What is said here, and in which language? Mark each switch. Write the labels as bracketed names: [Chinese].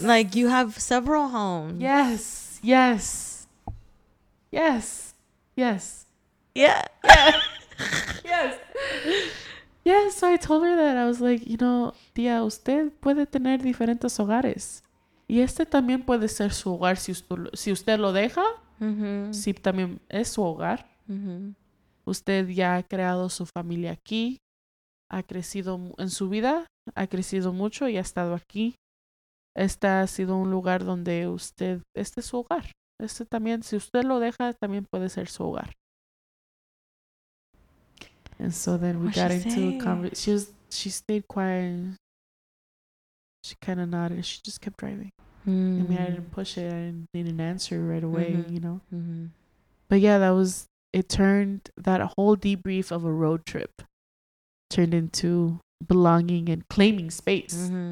[English] Like, you have several homes. Yes, yes, yes, yes. Yeah. Yes. Yes, so I told her that. I was like, you know, [Spanish] tía, usted puede tener diferentes hogares. Y este también puede ser su hogar si usted lo deja. Mm-hmm. Sí, también es su hogar. Mm-hmm. Usted ya ha creado su familia aquí, ha crecido en su vida, ha crecido mucho y ha estado aquí. Este ha sido un lugar donde usted, este es su hogar. Este también, si usted lo deja, también puede ser su hogar. [English] And so then we got into a conversation. She stayed quiet. And she kind of nodded. She just kept driving. I mean, I didn't push it. I didn't answer right away, you know. But yeah, that was, it turned, that whole debrief of a road trip turned into belonging and claiming space.